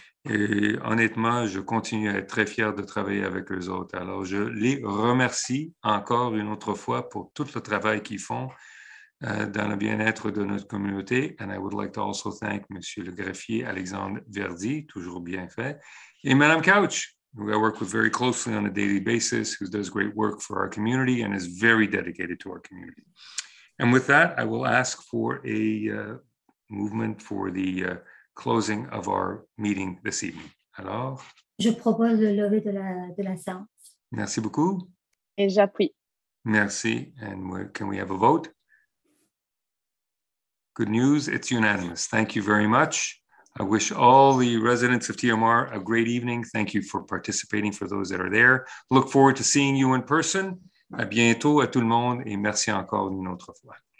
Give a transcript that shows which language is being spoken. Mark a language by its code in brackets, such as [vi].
[fr] Et honnêtement, je continue à être très fier de travailler avec eux autres. Alors, je les remercie encore une autre fois pour tout le travail qu'ils font dans le bien-être de notre communauté. [en] And I would like to also thank [fr] M. le greffier [en] Alexandre Verdi, [fr] toujours bien fait, et [en] Mme Couch, who I work with very closely on a daily basis, who does great work for our community and is very dedicated to our community. And with that, I will ask for a movement for the closing of our meeting this evening. [fr] Alors? Je propose le lever de la séance. Merci beaucoup. Et j'appuie. Merci. [en] And can we have a vote? Good news, it's unanimous. Thank you very much. I wish all the residents of TMR a great evening. Thank you for participating for those that are there. Look forward to seeing you in person. [fr] À bientôt à tout le monde et merci encore une autre fois.